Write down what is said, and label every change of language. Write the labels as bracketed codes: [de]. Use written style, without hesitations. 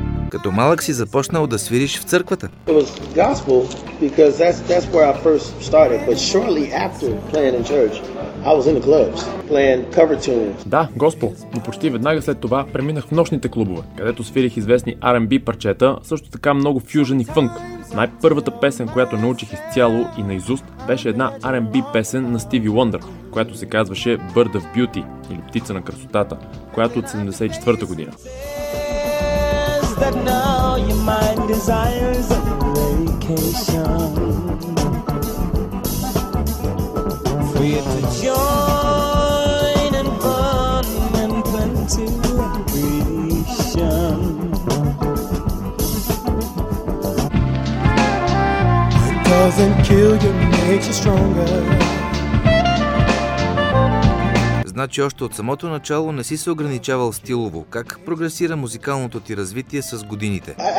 [bg] Като малък си започнал да свириш в църквата. [en] It was gospel because that's where I first started, but shortly after playing in church, I was in the clubs playing cover tunes. [bg] Да, gospel, но почти веднага след това преминах в нощните клубове, където свирих известни R&B парчета, също така много фюжън и фънк. Най-първата песен, която научих изцяло и наизуст, беше една R&B песен на Stevie Wonder, която се казваше Bird of Beauty или Птица на красотата, която от 74-та година. [en] That now your mind desires a vacation. For you to join in fun and plenty of creation. It doesn't kill you, makes you stronger. [bg] Значи още от самото начало не си се ограничавал стилово. Как прогресира музикалното ти развитие с годините?